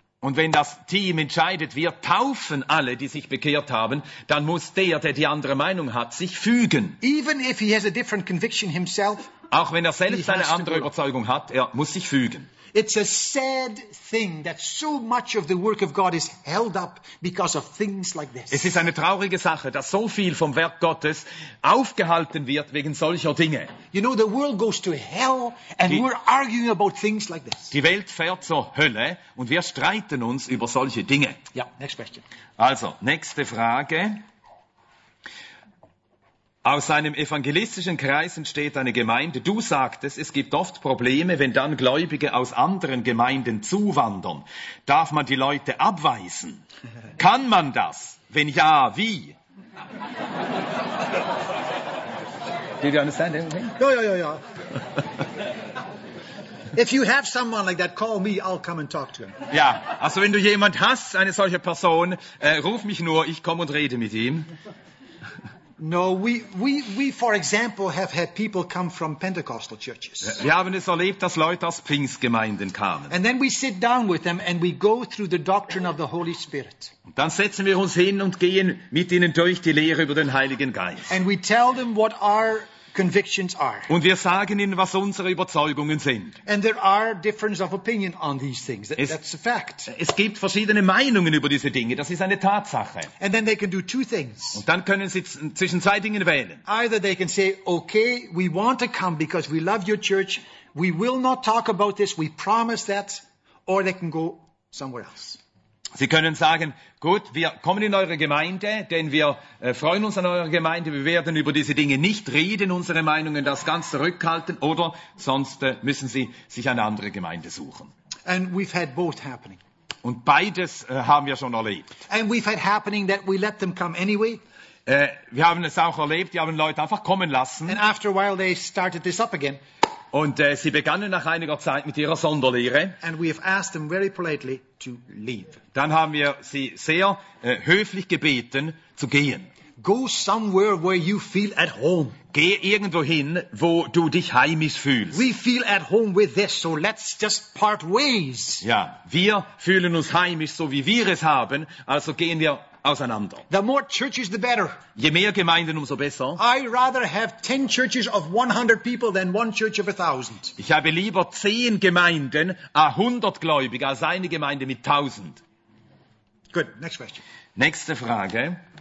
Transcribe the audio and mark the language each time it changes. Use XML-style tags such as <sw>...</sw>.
<de>Und wenn das Team entscheidet, wir taufen alle, die sich bekehrt haben, dann muss der die andere Meinung hat, sich fügen.</de> <en>Even if he has a different conviction himself,</en> <de>auch wenn er selbst eine andere Überzeugung hat, er muss sich fügen.</de> <en>It's a sad thing that so much of the work of God is held up because of things like this.</en> <de>Es ist eine traurige Sache, dass so viel vom Werk Gottes aufgehalten wird wegen solcher Dinge.</de> <en>You know, the world goes to hell and we're arguing about things like this.</en> <de>Die Welt fährt zur Hölle und wir streiten uns über solche Dinge.</de> <en>Ja, next question.</en> <de>Also, nächste Frage. Aus einem evangelistischen Kreis entsteht eine Gemeinde. Du sagtest, es gibt oft Probleme, wenn dann Gläubige aus anderen Gemeinden zuwandern. Darf man die Leute abweisen? Kann man das? Wenn ja, wie?</de> <en>Did you understand everything?</en> <de>Ja.</de> <en>If you have someone like that, call me, I'll come and talk to him.</en> <de>Ja, also wenn du jemand hast, eine solche Person, ruf mich nur, ich komme und rede mit ihm.</de> <en>No, we for example have had people come from Pentecostal churches.</en> <de>Wir haben es erlebt, dass Leute aus Pfingstgemeinden kamen.</de> <en>And then we sit down with them and we go through the doctrine of the Holy Spirit.</en> <de>Und dann setzen wir uns hin und gehen mit ihnen durch die Lehre über den Heiligen Geist.</de> <en>And we tell them what our convictions are.</en> <de>Und wir sagen ihnen, was unsere Überzeugungen sind.</de> <en>And there are differences of opinion on these things. That's a fact.</en> <de>Es gibt verschiedene Meinungen über diese Dinge. Das ist eine Tatsache.</de> <en>And then they can do two things.</en> <de>Und dann können sie zwischen zwei Dingen wählen.</de> <en>Either they can say, okay, we want to come because we love your church. We will not talk about this. We promise that. Or they can go somewhere else.</en> <de>Sie können sagen, gut, wir kommen in eure Gemeinde, denn wir freuen uns an eurer Gemeinde, wir werden über diese Dinge nicht reden, unsere Meinungen das ganz zurückhalten, oder sonst müssen sie sich eine andere Gemeinde suchen.</de> <en>And we've had both happening.</en> <de>Und beides haben wir schon erlebt.</de> <en>And we've had happening that we let them come anyway.</en> <de>Wir haben es auch erlebt, wir haben Leute einfach kommen lassen.</de> <en>And after a while they started this up again.</en> <de>Und sie begannen nach einiger Zeit mit ihrer Sonderlehre.</de> <en>And we have asked them very politely to leave.</en> <de>Dann haben wir sie sehr höflich gebeten, zu gehen.</de> <en>Go somewhere where you feel at home.</en> <de>Geh irgendwo hin, wo du dich heimisch fühlst.</de> <en>We feel at home with this, so let's just part ways.</en> <de>Ja, wir fühlen uns heimisch, so wie wir es haben, also gehen wir auseinander.</de> <en>The more churches, the better.</en> <de>Je mehr Gemeinden, umso besser.</de> <en>I rather have 10 churches of 100 people than one church of 1,000.</en> <de>Ich habe lieber 10 Gemeinden, 100 Gläubige, als eine Gemeinde mit 1,000.</de> <en>Good, next question.</en> <de>Nächste Frage.</de>